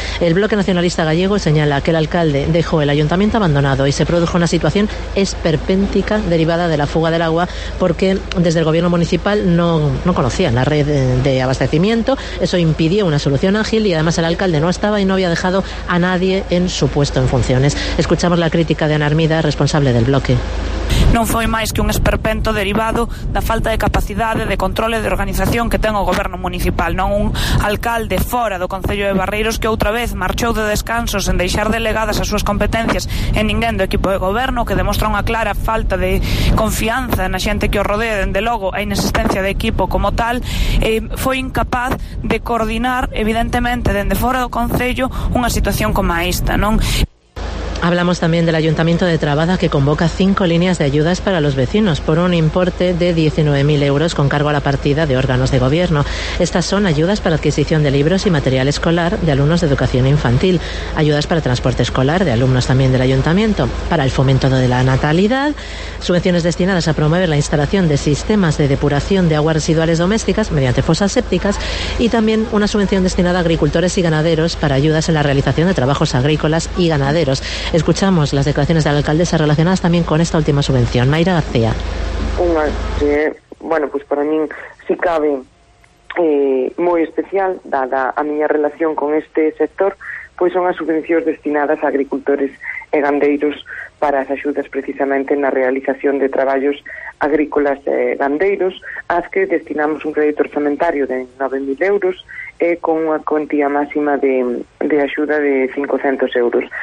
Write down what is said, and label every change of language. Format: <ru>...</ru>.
<es>El Bloque Nacionalista Gallego señala que el alcalde dejó el ayuntamiento abandonado y se produjo una situación esperpéntica derivada de la fuga del agua, porque desde el gobierno municipal no conocían la red de abastecimiento. Eso impidió una solución ágil, y además el alcalde no estaba y no había dejado a nadie en su puesto en funciones. Escuchamos la crítica de Ana Armida, responsable del Bloque.</es> <gl>Non foi máis que un esperpento derivado da falta de capacidade de control e de organización que ten o goberno municipal. Non un alcalde fora do Concello de Barreiros que outra vez marchou de descanso sen deixar delegadas as súas competencias en ninguén do equipo de goberno, que demostra unha clara falta de confianza na xente que o rodea, dende logo a inexistencia de equipo como tal, e foi incapaz de coordinar, evidentemente, dende fora do Concello, unha situación como a esta, non?</gl> <es>Hablamos también del Ayuntamiento de Trabada, que convoca 5 líneas de ayudas para los vecinos por un importe de 19.000 euros con cargo a la partida de órganos de gobierno. Estas son ayudas para adquisición de libros y material escolar de alumnos de educación infantil, ayudas para transporte escolar de alumnos también del Ayuntamiento, para el fomento de la natalidad, subvenciones destinadas a promover la instalación de sistemas de depuración de aguas residuales domésticas mediante fosas sépticas, y también una subvención destinada a agricultores y ganaderos para ayudas en la realización de trabajos agrícolas y ganaderos. Escuchamos las declaraciones de la alcaldesa relacionadas también con esta última subvención, Mayra García.</es> <gl>Unha que, bueno, pues para min si cabe moi especial, dada a miña relación con este sector, pois son as subvencións destinadas a agricultores e gandeiros para as axudas precisamente na realización de traballos agrícolas e gandeiros, ás que destinamos un crédito orzamentario de 9.000 euros e con unha cuantía máxima de axuda de 500 euros.</gl>